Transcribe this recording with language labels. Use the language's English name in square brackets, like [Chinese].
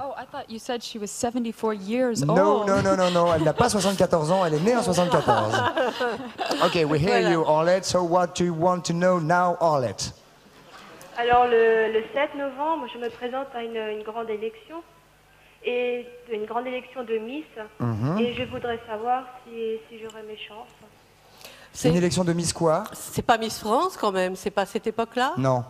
[English] Oh, I thought you said she was 74 years no, old. No, no, no, no, no. [French] Elle n'a pas 74 ans, elle est née en 74. [English] Ok, we hear voilà. You, Arlette. So what do you want to know now, Arlette? [French] Alors, le 7 novembre, je me présente à une grande élection. Et une grande élection de Miss. Mm-hmm. Et je voudrais savoir si j'aurais mes chances. C'est une élection de Miss quoi? C'est pas Miss France quand même, c'est pas cette époque-là? Non.